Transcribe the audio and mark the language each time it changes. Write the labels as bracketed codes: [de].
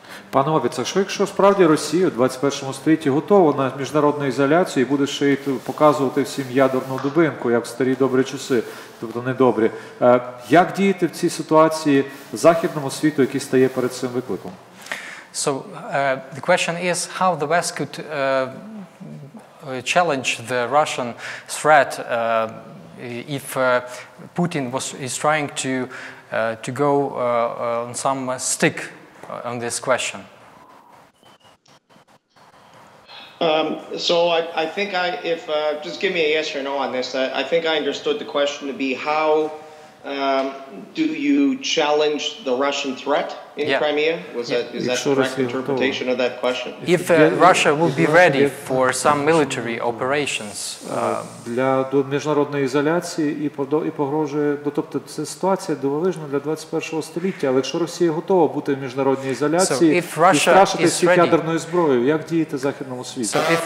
[uk] Пане Обіцяк, що якщо справді Росія у 21 столітті готова на міжнародну ізоляцію і буде ще й показувати всім ядерну дубинку, як в старі добрі часи, тобто недобрі, як діяти в цій ситуації західному світу, який стає перед цим викликом? [en] So, the question is, how the West could challenge the Russian threat if Putin is trying to go on some stick on this question? So I think just give me a yes or no on this. I think I understood the question to be how Do you challenge the Russian threat in Crimea? Is that the correct interpretation of that question? If Russia will be ready for some military operations, [uk] для міжнародної ізоляції і погрожує, тобто це ситуація дивовижна для 21-го століття, але якщо Росія готова бути в міжнародній ізоляції і страшити всіх ядерною зброєю, як діяти західному світу?